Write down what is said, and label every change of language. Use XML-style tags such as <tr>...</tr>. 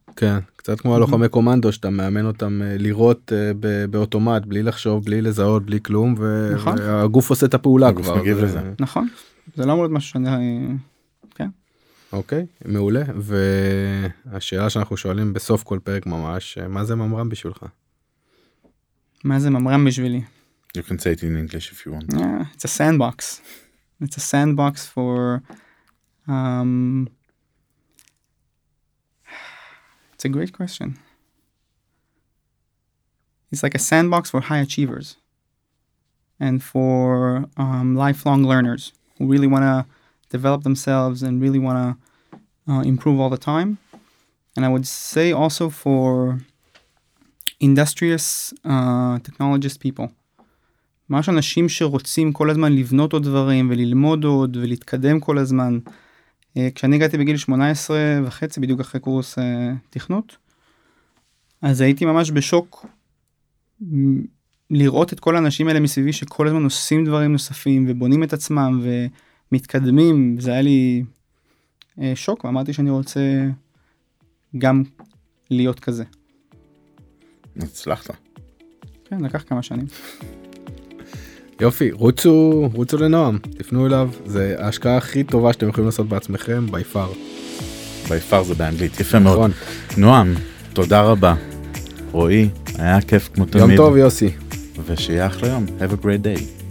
<he>כן, קצת כמו הלוחמי קומנדו, שאתה מאמן אותם לראות באוטומט, בלי לחשוב, בלי לזהות, בלי כלום, והגוף עושה את הפעולה כבר. הגוף מגיב לזה. נכון, זה לא אמור להיות משהו שאני... כן. אוקיי, מעולה, והשאלה שאנחנו שואלים בסוף כל פרק ממש, מה זה ממרם בשבילך? מה זה ממרם בשבילי?</he> <en>You can say it in English if you want. Yeah, it's a sandbox. It's a sandbox for... it's a great question. It's like a sandbox for high achievers. And for lifelong learners who really want to develop themselves and really want to improve all the time. And I would say also for... industrious technologist people.</en> <he>ממש אנשים שרוצים כל הזמן לבנות עוד דברים וללמוד עוד ולהתקדם כל הזמן. כשאני הגעתי בגיל 18 וחצי, בדיוק אחרי קורס תכנות, אז הייתי ממש בשוק לראות את כל האנשים האלה מסביבי שכל הזמן עושים דברים נוספים ובונים את עצמם ומתקדמים. זה היה לי שוק, ואמרתי שאני רוצה גם להיות כזה. הצלחת. כן, לקח כמה שנים. יופי, רוצו לנועם, תפנו אליו, זה ההשקעה הכי טובה שאתם יכולים לעשות בעצמכם, by far. by far זה באנגלית, יפה מאוד. נועם, תודה רבה. רועי, היה כיף כמו תמיד. יום טוב, יוסי. ושיהיה אחלה יום.</he> <en>Have a great day.</en>